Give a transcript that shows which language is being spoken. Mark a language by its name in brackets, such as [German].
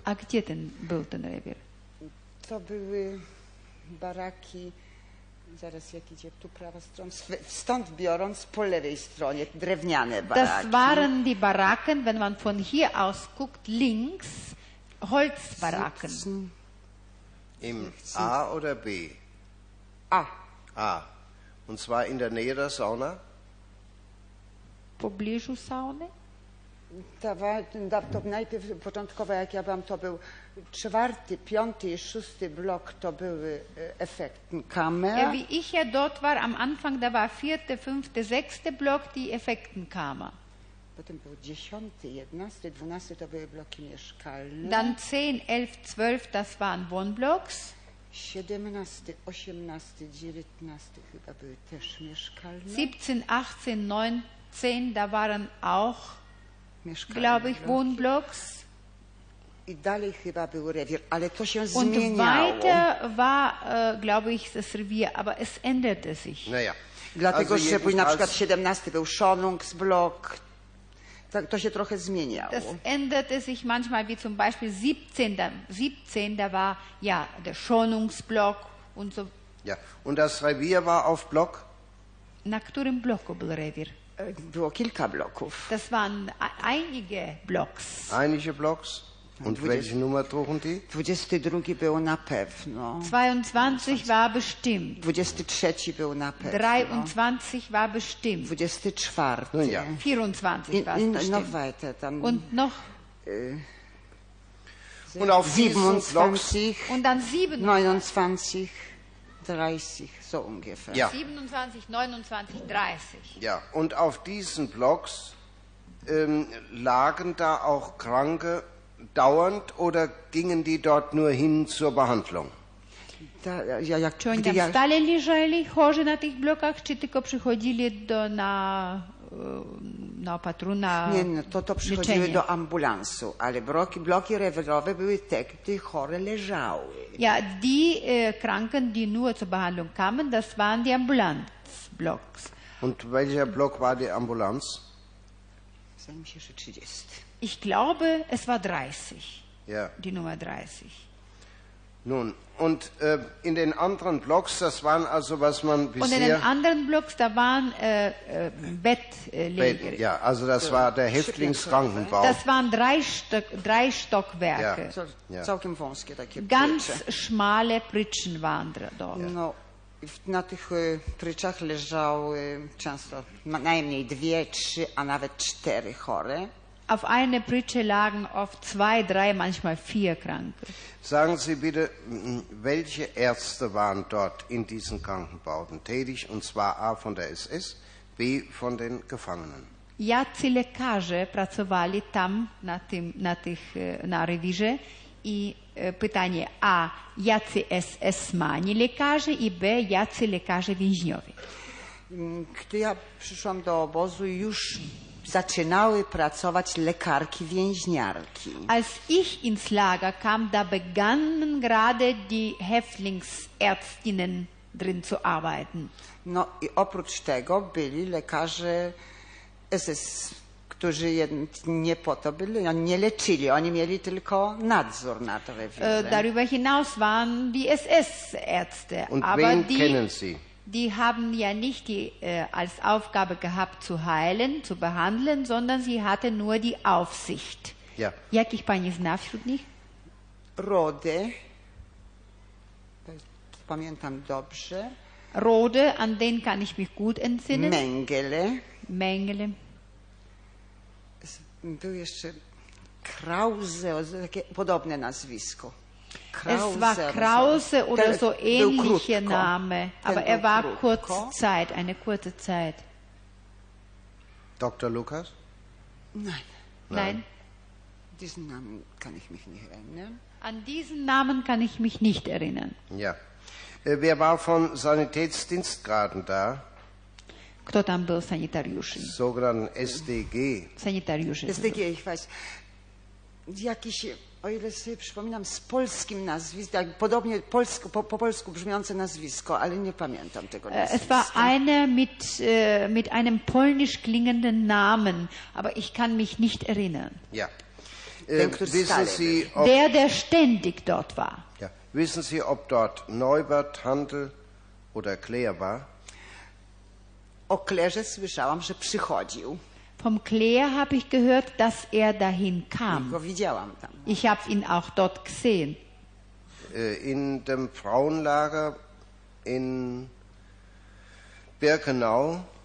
[Polish] A gdzie denn był ten Revier? To były baraki, zaraz jak idzie, tu prawa strona, stąd biorąc po lewej stronie, drewniane baraki. [German] Das waren die Baracken, wenn man von hier aus guckt, links, Holzbaraken. Im A oder B? [Polish] A. [German] A. Und zwar in der Nähe der Sauna? [Polish] Pobliżu Sauny? To najpierw początkowo, jak ja byłam, to był czwarty, piąty i szósty blok, to były Effektenkammer. [German] Wie ich ja dort war, am Anfang, da war vierte, fünfte, sechste Block, die Effektenkammer. [Polish] Potem był dziesiąty, jedenasty, dwunasty, to były bloki mieszkalne. [German] Dann 10, 11, 12, das waren Wohnblocks. [Polish] 17, 18, 19 chyba były też mieszkalne. [German] 17, 18, 19, da waren auch [Polish] mieszkalne, [German] glaube ich, Wohnblocks. [Polish] I dalej chyba był rewir, ale to się [German] und [Polish] zmieniało. [German] Und weiter war, glaube ich, das Revier, aber es änderte sich. Naja. [Polish] Dlatego, also że na przykład 17 był Schonungsblock, to się trochę zmieniało. [German] Das änderte sich manchmal, wie zum Beispiel 17, da war ja der Schonungsblock und so. Ja, und das Revier war auf Block? [Polish] Na którym bloku był rewir? Było kilka bloków. [German] Das waren einige Blocks. Einige Blocks? Und welche Nummer trugen die? [Polish] 22 był na pewno. [German] 22 war bestimmt. [Polish] 23 był na pewno. [German] 23 war bestimmt. [Polish] 24. [German] Nun ja. 24 war bestimmt. Noch weiter dann. Und noch. Und auf 27. Und dann 29. 30, so ungefähr. Ja. 27, 29, 30. Ja, und auf diesen Blocks lagen da auch Kranke dauernd oder gingen die dort nur hin zur Behandlung? [Polish] Czy oni tam stale leżeli, chorzy na tych blokach, czy tylko przychodzili do na opatruna leczenie? Nie, to przychodziły leczenie do ambulansu, ale bloki rewirowe były te, gdy chore leżały. [German] Ja, die Kranken, die nur zur Behandlung kamen, das waren die Ambulanzblocks. Und welcher Block war die Ambulanz? Sagen wir schon 30. Ich glaube, es war 30. Ja. Die Nummer 30. Nun, und in den anderen Blocks, das waren also, was man bisher... Und in den anderen Blocks, da waren Bettleger. Ja, also das so war der Häftlingskrankenbau. Das waren drei Stockwerke. Ja. [Polish] Całkiem wąskie takie [German] Ganz Pritsche. Schmale Pritschen waren da. [Polish] No, Na tych pryczach leżały często najmniej dwie, trzy, a nawet cztery chore. [German] Auf einer Pritsche lagen oft zwei, drei, manchmal vier Kranke. Sagen Sie bitte, welche Ärzte waren dort in diesen Krankenbauten tätig, und zwar A von der SS, B von den Gefangenen? [Polish] Jacy lekarze pracowali tam na tym, na tych, na rewirze? I pytanie A, jacy SS-mani lekarze, i B, jacy lekarze więźniowie? Gdy ja przyszłam do obozu, już zaczynały pracować lekarki więźniarki. [German] Als ich ins Lager kam, da begannen gerade die Häftlingsärztinnen drin zu arbeiten. [Polish] No i oprócz tego byli lekarze SS, którzy nie po to byli, oni nie leczyli, oni mieli tylko nadzór na to rewirze. [German] Darüber hinaus waren die SS-Ärzte. Und wen kennen Sie? Die haben ja nicht die als Aufgabe gehabt zu heilen, zu behandeln, sondern sie hatte nur die Aufsicht. Ja. [Polish] Jakich pani zna wśród nich? Rode. Pamiętam dobrze. [German] Rode, an den kann ich mich gut entsinnen. [Polish] Mengele. [German] Mengele. [Polish] Du jeszcze Krause, takie podobne nazwisko. [German] Es war Krause oder so ähnliche Name, aber er war eine kurze Zeit. Dr. Lukas? Nein. Diesen Namen kann ich mich nicht erinnern. An diesen Namen kann ich mich nicht erinnern. Ja. Wer war von Sanitätsdienstgraden da? [Polish] Кто там был санитариушем? Согран СДГ. Санитариушем. СДГ, [German] ich weiß. [Polish] Jakieś, o ile sobie przypominam, z polskim nazwiskiem, podobnie polsko, po polsku brzmiące nazwisko, ale nie pamiętam tego nazwiska. [German] Es war eine mit einem polnisch klingenden Namen, aber ich kann mich nicht erinnern. Ja. Der ständig dort war. Ja. Wissen Sie, ob dort Neubert, Handel oder Claire war? [Polish] O Claire słyszałam, że przychodził. [German] Vom Claire habe ich gehört, dass er dahin kam. Ich habe ihn auch dort gesehen. In dem Frauenlager in Birkenau.